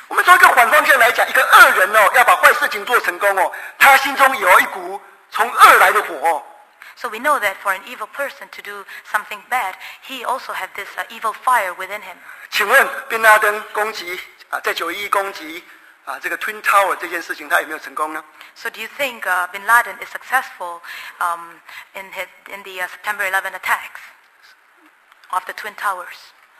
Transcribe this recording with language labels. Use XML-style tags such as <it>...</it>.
<zh>我们从一个反方向来讲,一个恶人哦,要把坏事情做成功哦,他心中有一股从恶来的火哦。So</zh> <en>we know that for an evil person to do something bad, he also had this evil fire within him.</en> <zh>请问,宾拉登攻击,在九一攻击, 这个 Twin Tower 这件事情他有没有成功呢?</zh> <en>So do you think Bin Laden is successful in the September 11 attacks of the Twin Towers?</en>